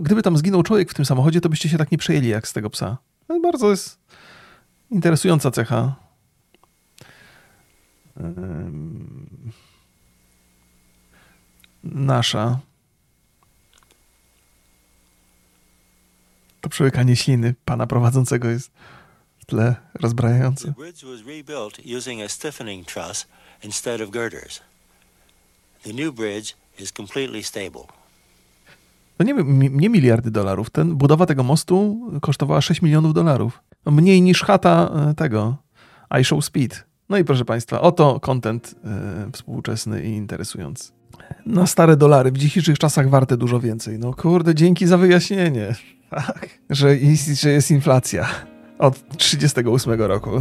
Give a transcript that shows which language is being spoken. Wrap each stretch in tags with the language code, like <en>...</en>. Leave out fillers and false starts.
<pl>Gdyby tam zginął człowiek w tym samochodzie, to byście się tak nie przejęli jak z tego psa. To bardzo jest interesująca cecha. Nasza. To przełykanie śliny pana prowadzącego jest w tle rozbrajające.</pl> <en>The bridge was rebuilt using a stiffening truss instead of girders. The new bridge is completely stable.</en> <pl>To nie miliardy dolarów. Ten, budowa tego mostu kosztowała 6 milionów dolarów. Mniej niż chata tego I Show Speed. No i proszę Państwa, oto content współczesny i interesujący. Na stare dolary, w dzisiejszych czasach warte dużo więcej. No kurde, dzięki za wyjaśnienie, tak, że jest inflacja od 38 roku.</pl>